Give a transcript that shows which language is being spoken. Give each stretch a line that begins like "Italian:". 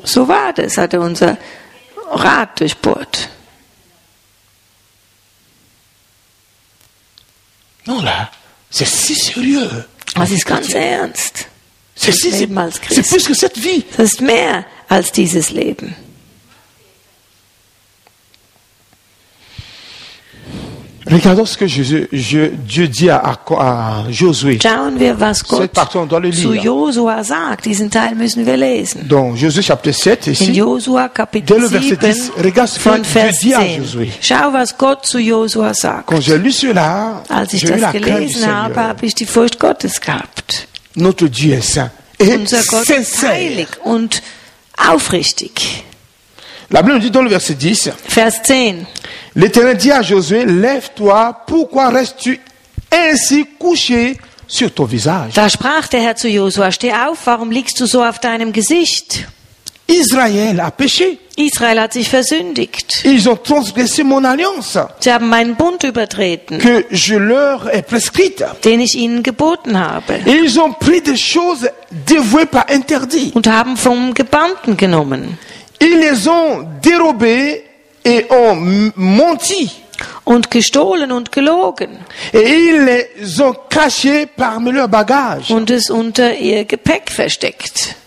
German: So war das, hat er unser Rad durchbohrt.
French: Non, là, c'est si sérieux.
German: Das ist ganz ernst.
French: C'est plus que cette vie.
German: Das ist mehr als dieses Leben.
French: Regardons ce que Dieu dit à Josué.
German: Schauen wir, was Gott
French: cette partie, on doit le lire.
German: Zu Josua sagt. Diesen Teil müssen wir lesen.
French: Donc, Josué chapitre 7, ici,
German: in Josua Kapitel 7,
French: dès le verset 10, regarde ce que Dieu dit à Josué.
German: Schau, was Gott zu Josua sagt.
French: Quand j'ai lu cela,
German: als ich
French: j'ai
German: das gelesen habe, habe ich die Furcht Gottes gehabt.
French: Notre Dieu est saint et
German: unser Gott
French: sincère.
German: Ist heilig und aufrichtig.
French: La Bible nous dit dans le verset 10.
German: Vers 10.
French: L'Éternel dit à Josué, lève-toi, pourquoi restes-tu ainsi couché sur ton visage?
German: Da sprach der Herr zu Josua, steh auf, warum liegst du so auf deinem Gesicht?
French: Israël a péché.
German: Israël hat sich versündigt.
French: Ils ont transgressé mon alliance.
German: Sie haben meinen Bund übertreten.
French: Que je leur ai prescrite.
German: Den ich ihnen geboten habe.
French: Et ils ont pris des choses dévouées par interdit.
German: Und haben vom Gebannten genommen.
French: Ils les ont dérobées. Et ont menti.
German: Und gestohlen und gelogen.
French: Et ils les ont cachés parmi leurs bagages.
German: Und es unter ihr Gepäck versteckt.